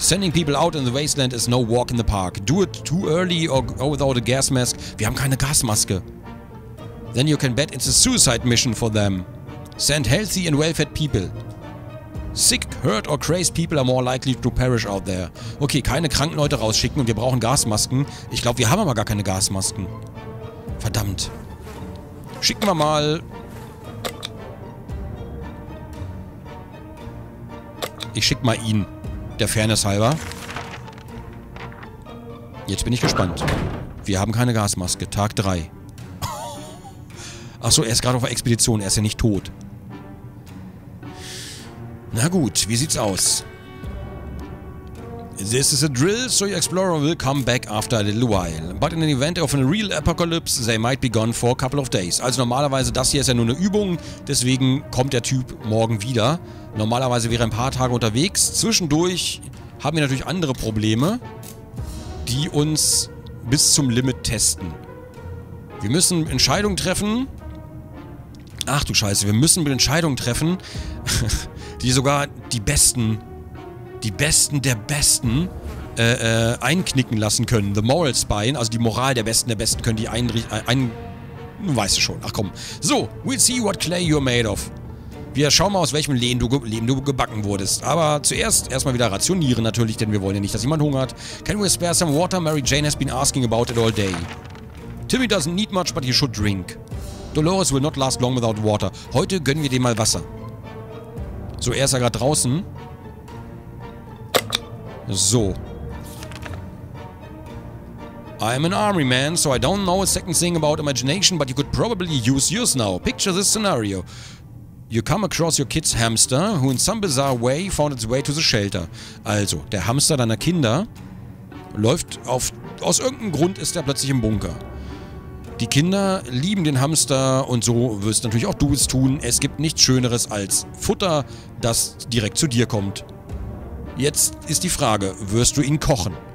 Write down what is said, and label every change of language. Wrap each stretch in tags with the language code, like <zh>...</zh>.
<en>Sending people out in the wasteland is no walk in the park. Do it too early or go without a gas mask.</en> <de>Wir haben keine Gasmaske.</de> <en>Then you can bet it's a suicide mission for them. Send healthy and well-fed people. Sick, hurt or crazed people are more likely to perish out there.</en> <de>Okay, keine kranken Leute rausschicken und wir brauchen Gasmasken. Ich glaube, wir haben aber gar keine Gasmasken. Verdammt. Schicken wir mal. Ich schick mal ihn. Der Fairness halber. Jetzt bin ich gespannt. Wir haben keine Gasmaske. Tag 3. Achso, er ist gerade auf der Expedition. Er ist ja nicht tot. Na gut, wie sieht's aus?</de> <en>This is a drill, so your explorer will come back after a little while. But in the event of a real apocalypse, they might be gone for a couple of days.</en> <de>Also normalerweise, das hier ist ja nur eine Übung, deswegen kommt der Typ morgen wieder. Normalerweise wäre er ein paar Tage unterwegs. Zwischendurch haben wir natürlich andere Probleme, die uns bis zum Limit testen. Wir müssen Entscheidungen treffen. Ach du Scheiße, wir müssen Entscheidungen treffen, die sogar die Besten der Besten einknicken lassen können.</de> <en>The Moral Spine,</en> <de>also die Moral der Besten können die weißt du schon, ach komm.</de> <en>So, we'll see what clay you're made of.</en> <de>Wir schauen mal, aus welchem Lehm du gebacken wurdest. Aber zuerst erstmal wieder rationieren natürlich, denn wir wollen ja nicht, dass jemand hungert.</de> <en>Can we spare some water? Mary Jane has been asking about it all day. Timmy doesn't need much, but he should drink. Dolores will not last long without water.</en> <de>Heute gönnen wir dem mal Wasser. So, er ist ja gerade draußen. So.</de> <en>I'm an army man, so I don't know a second thing about imagination, but you could probably use yours now. Picture this scenario. You come across your kid's hamster, who in some bizarre way found its way to the shelter.</en> <de>Also, der Hamster deiner Kinder läuft auf... Aus irgendeinem Grund ist er plötzlich im Bunker. Die Kinder lieben den Hamster und so wirst natürlich auch du es tun. Es gibt nichts Schöneres als Futter, das direkt zu dir kommt. Jetzt ist die Frage, wirst du ihn kochen?</de>